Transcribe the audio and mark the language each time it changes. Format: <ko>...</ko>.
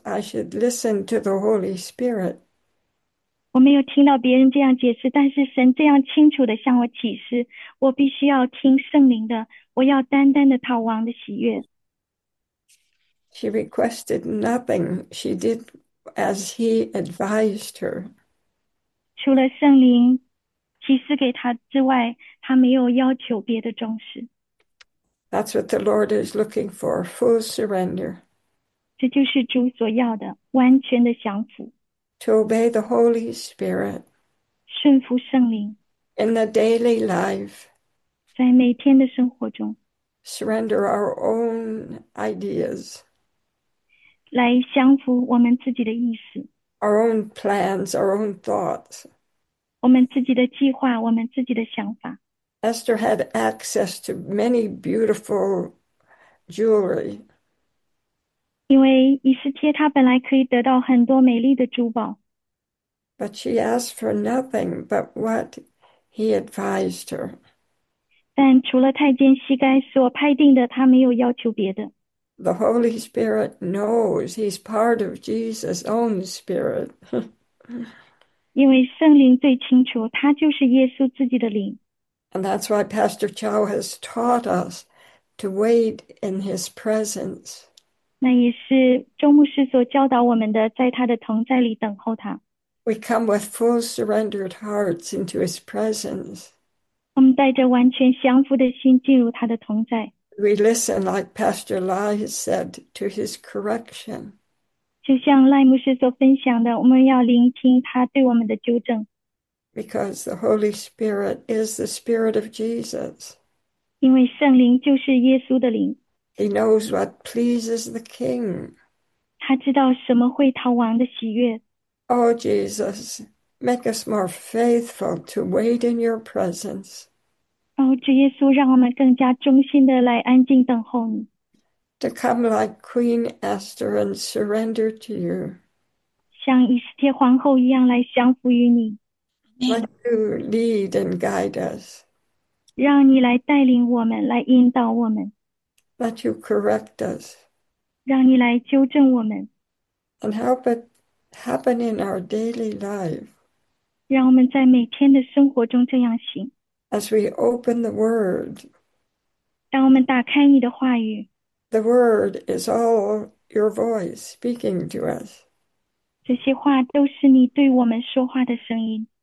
<en>I should listen to the Holy Spirit.</en> <zh>我没有听到别人这样解释，但是神这样清楚地向我启示，我必须要听圣灵的，我要单单的讨王的喜悦。</zh> <en>She requested nothing. She did as he advised her.</en> <zh>除了圣灵启示给他之外，他没有要求别的装饰。</zh> <en>That's what the Lord is looking for, full surrender.</en> <zh>这就是主所要的，完全的降服，</zh> <en>To obey the Holy Spirit</en> <zh>顺服圣灵，</zh> <en>in the daily life.</en> <zh>在每天的生活中，</zh> <en>Surrender our own ideas.</en> <zh>来降服我们自己的意思。</zh> <en>Our own plans, our own thoughts.</en> <zh>我们自己的计划，我们自己的想法。</zh> <en>Esther had access to many beautiful jewelry.</en> <zh>因为以斯帖他本来可以得到很多美丽的珠宝。</zh> <en>But she asked for nothing but what he advised her.</en> <zh>但除了太监西该所派定的，他没有要求别的。</zh> <en>The Holy Spirit knows he's part of Jesus' own spirit.</en> <zh>因为圣灵最清楚，他就是耶稣自己的灵。</zh> <en>And that's why Pastor Chow has taught us to wait in his presence.</en> <zh>那也是周牧师所教导我们的，在他的同在里等候他。</zh> <en>We come with full surrendered hearts into his presence.</en> <zh>我们带着完全降服的心进入他的同在，</zh> <en>We listen, like Pastor Lai said, to his correction.</en> <zh>就像赖牧师所分享的，我们要聆听他对我们的纠正，</zh> <en>Because the Holy Spirit is the Spirit of Jesus.</en> <zh>因为圣灵就是耶稣的灵，</zh> <en>He knows what pleases the King.</en> <zh>他知道什么会讨王的喜悦。</zh> <en>Oh, Jesus, make us more faithful to wait in your presence.</en> <zh>Oh, 主耶稣，让我们更加忠心的来安静等候你。</zh> <en>To come like Queen Esther and surrender to you.</en> <zh>像以斯帖皇后一样来降服于你，</zh> <en>Let you lead and guide us.</en> <zh>让你来带领我们，来引导我们，</zh> <en>Let you correct us.</en> <zh>让你来纠正我们，</zh> <en>And help it happen in our daily life.</en> <zh>让我们在每天的生活中这样行。</zh> <en>As we open the Word.</en> <zh>当我们打开你的话语。</zh> <en>The word is all your voice speaking to us.</en> <zh>这些话都是你对我们说话的声音。</zh>